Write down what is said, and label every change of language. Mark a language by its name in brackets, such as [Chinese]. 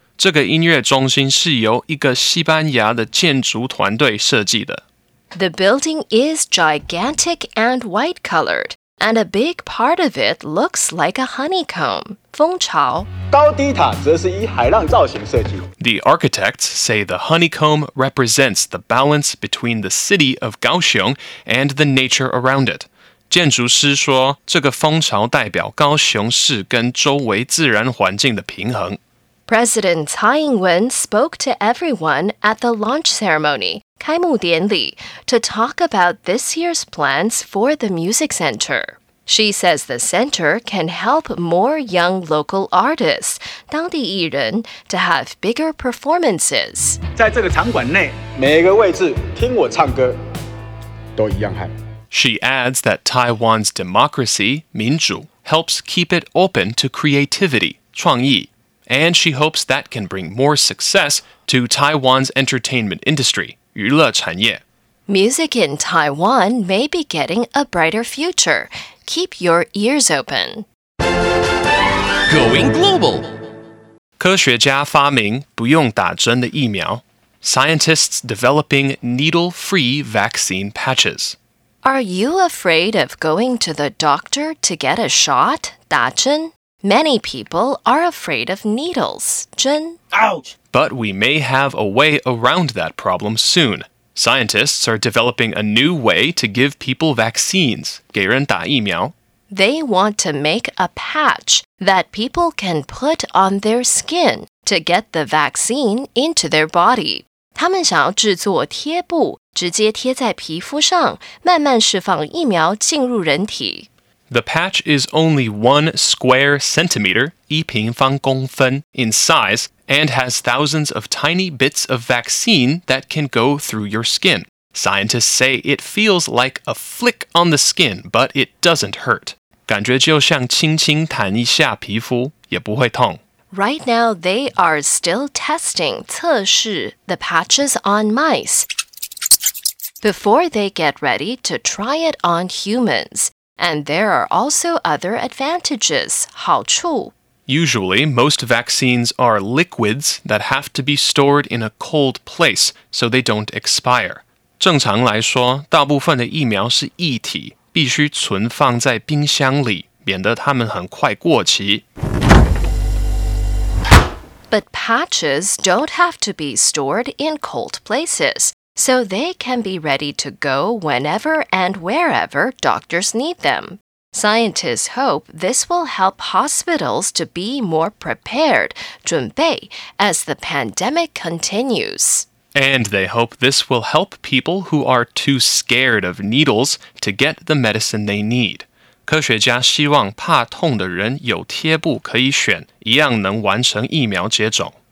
[Chinese] 这个音乐中心是由一个西班牙的建筑团队设计的。 [English] The building is gigantic and white-colored. And a big part of it looks like a honeycomb, 蜂巢。 [Chinese] 高低塔则是以海浪造型设计。 [English] The architects say the honeycomb represents the balance between the city of Kaohsiung and the nature around it. [Chinese] 建筑师说，这个蜂巢代表高雄市跟周围自然环境的平衡。 [English] President Tsai Ing-wen spoke to everyone at the launch ceremony, 开幕典礼, to talk about this year's plans for the music center. She says the center can help more young local artists, 当地艺人, to have bigger performances. [Chinese] 在这个场馆内,每个位置听我唱歌都一样嗨。 [English] She adds that Taiwan's democracy, 民主, helps keep it open to creativity, 创意。 And she hopes that can bring more success to Taiwan's entertainment industry, 娱乐产业。 Music in Taiwan may be getting a brighter future. Keep your ears open. Going global! [Chinese] 科学家发明不用打针的疫苗。 [English] Scientists developing needle-free vaccine patches. Are you afraid of going to the doctor to get a shot, 打针? Many people are afraid of needles, 针. Ouch! But we may have a way around that problem soon. Scientists are developing a new way to give people vaccines, 给人打疫苗. They want to make a patch that people can put on their skin to get the vaccine into their body. [Chinese] 他们想要制作贴布,直接贴在皮肤上,慢慢释放疫苗进入人体。 [English] The patch is only 1 square centimeter, 一平方公分, in size, and has thousands of tiny bits of vaccine that can go through your skin. Scientists say it feels like a flick on the skin, but it doesn't hurt. [Chinese] 感觉就像轻轻弹一下皮肤,也不会痛。 [English] Right now, they are still testing 测试 the patches on mice before they get ready to try it on humans. And there are also other advantages, 好处。 Usually, most vaccines are liquids that have to be stored in a cold place so they don't expire. [Chinese] 正常来说,大部分的疫苗是液体,必须存放在冰箱里,免得它们很快过期。 [English] But patches don't have to be stored in cold places. So they can be ready to go whenever and wherever doctors need them. Scientists hope this will help hospitals to be more prepared, 准备, as the pandemic continues. And they hope this will help people who are too scared of needles to get the medicine they need. [Chinese] 科学家希望怕痛的人有贴布可以选,一样能完成疫苗接种。